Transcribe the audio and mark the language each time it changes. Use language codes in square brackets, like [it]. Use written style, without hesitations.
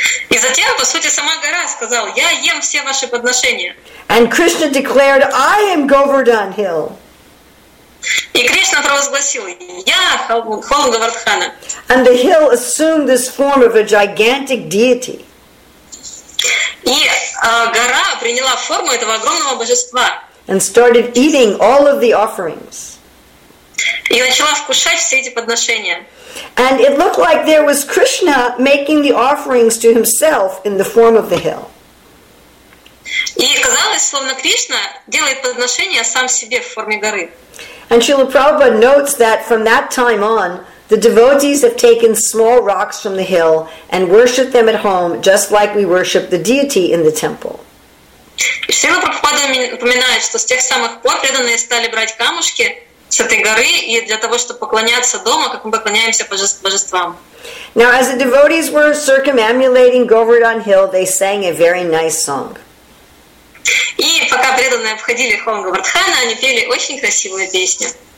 [ru] И затем, по сути, сама гора сказала, я ем все ваши подношения. [en] And Krishna declared, I am Govardhan Hill. [ru] И Кришна провозгласил, я холм Говардхана. [en] And the hill assumed this form of a gigantic deity. [ru] И гора приняла форму этого огромного божества. [en] And started eating all of the offerings. [ru] И начала вкушать все эти подношения. [en] And it looked like there was Krishna making the offerings to himself in the form of the hill. [ru] И казалось, словно Кришна делает подношения сам себе в форме горы. [en] And Srila Prabhupada notes that from that time on, the devotees have taken small rocks from the hill and worshipped them at home, just like we worship the deity in the temple. [ru] И Srila Prabhupada упоминает, что с тех самых пор преданные стали брать камушки с этой горы и для того, чтобы поклоняться дома, как мы поклоняемся божествам. [en] Now, as the devotees were circumambulating Govardhan Hill, they sang a very nice song. [ru] И пока преданные обходили холм Говардхана, они пели очень красивую песню.